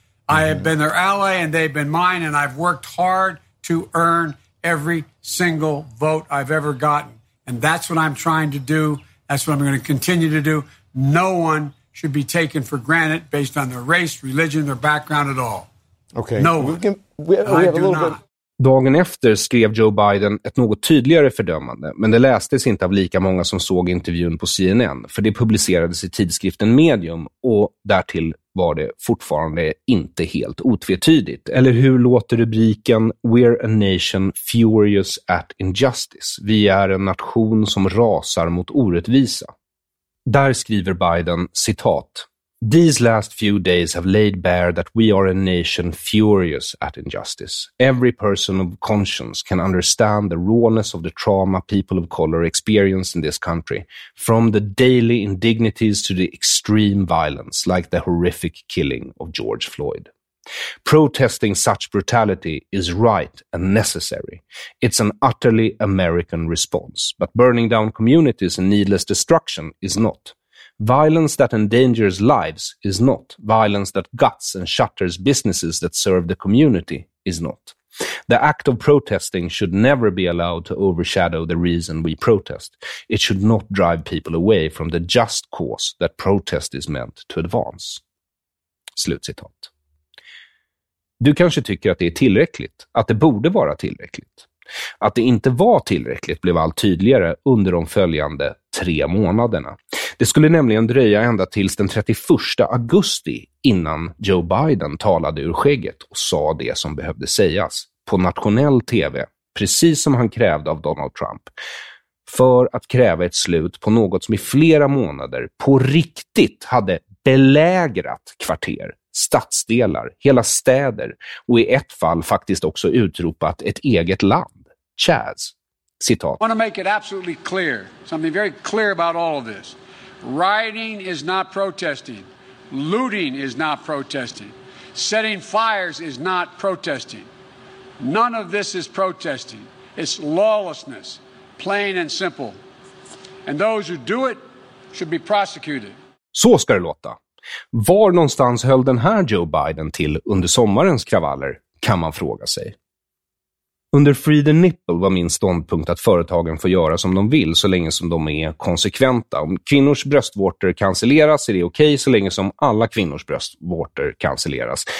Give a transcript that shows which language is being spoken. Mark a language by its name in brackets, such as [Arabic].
[English] I have been their ally and they've been mine, and I've worked hard to earn every single vote I've ever gotten. And that's what I'm trying to do. That's what I'm going to continue to do. No one should be taken for granted based on their race, religion, their background at all. Okay. No one. [Swedish] Dagen efter skrev Joe Biden ett något tydligare fördömande, men det lästes inte av lika många som såg intervjun på CNN, för det publicerades i tidskriften Medium och därtill var det fortfarande inte helt otvetydigt. Eller hur låter rubriken [English] "We're a nation furious at injustice"? [Swedish] Vi är en nation som rasar mot orättvisa. Där skriver Biden, citat: [English] "These last few days have laid bare that we are a nation furious at injustice. Every person of conscience can understand the rawness of the trauma people of color experience in this country, from the daily indignities to the extreme violence, like the horrific killing of George Floyd. Protesting such brutality is right and necessary. It's an utterly American response, but burning down communities and needless destruction is not. Violence that endangers lives is not. Violence that guts and shatters businesses that serve the community is not. The act of protesting should never be allowed to overshadow the reason we protest. It should not drive people away from the just cause that protest is meant to advance." [Swedish] Slutcitat. Du kanske tycker att det är tillräckligt, att det borde vara tillräckligt. Att det inte var tillräckligt blev allt tydligare under de följande 3 månaderna. Det skulle nämligen dröja ända tills den 31 augusti innan Joe Biden talade ur skägget och sa det som behövde sägas på nationell TV, precis som han krävde av Donald Trump, för att kräva ett slut på något som i flera månader på riktigt hade belägrat kvarter, stadsdelar, hela städer och i ett fall faktiskt också utropat ett eget land, Chaz. Citat: [English] "I want to make it absolutely clear, something very clear about all of this. Rioting is not protesting. Looting is not protesting. Setting fires is not protesting. None of this is protesting. It's lawlessness, plain and simple. And those who do it should be prosecuted." [Swedish] Så ska det låta. Var någonstans höll den här Joe Biden till under sommarens kravaller, kan man fråga sig. Under Free the Nipple var min ståndpunkt att företagen får göra som de vill så länge som de är konsekventa. Om kvinnors bröstvårtor cancelleras är det okej så länge som alla kvinnors bröstvårtor cancelleras.